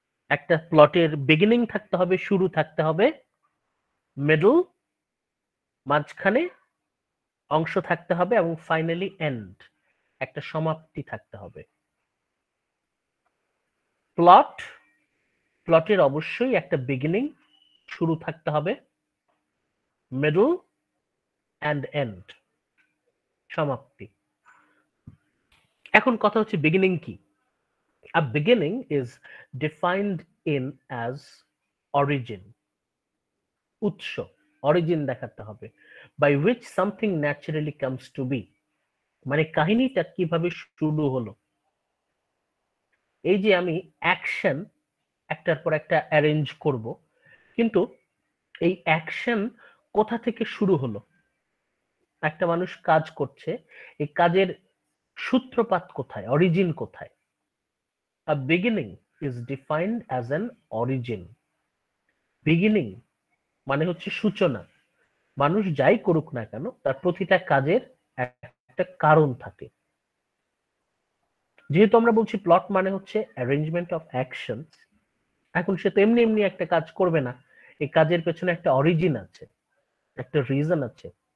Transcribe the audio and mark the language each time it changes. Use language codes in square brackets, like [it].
[bn] একটা প্লটের বিগিনিং থাকতে হবে, শুরু থাকতে হবে, মিডল মাঝখানে অংশ থাকতে হবে, এবং ফাইনালি এন্ড, একটা সমাপ্তি থাকতে হবে। প্লট, প্লটের অবশ্যই একটা বিগিনিং, শুরু থাকতে হবে, মিডল এন্ড এন্ড, সমাপ্তি। এখন কথা হচ্ছে বিগিনিং কি? [en] A beginning is defined in as origin, [bn] উৎস, অরিজিন দেখাতে হবে, [en] by which something naturally comes to be, [bn] মানে কাহিনীটা কিভাবে শুরু হলো। এই যে আমি অ্যাকশন একটার পর একটা অ্যারেঞ্জ করব, কিন্তু এই অ্যাকশন কোথা থেকে শুরু হলো? একটা মানুষ কাজ করছে, এই কাজের সূত্রপাত কোথায়, অরিজিন কোথায়? [en] A beginning is defined as an origin. [bn] Beginning মানে হচ্ছে সূচনা। মানুষ যাই করুক না কেন, তার প্রতিটা কাজের একটা কারণ থাকে। যেহেতু আমরা বলছি প্লট মানে হচ্ছে [en] arrangement of action, [bn] এখন সে তো এমনি এমনি একটা কাজ করবে না, এই কাজের পেছনে একটা অরিজিন আছে, একটা রিজন আছে।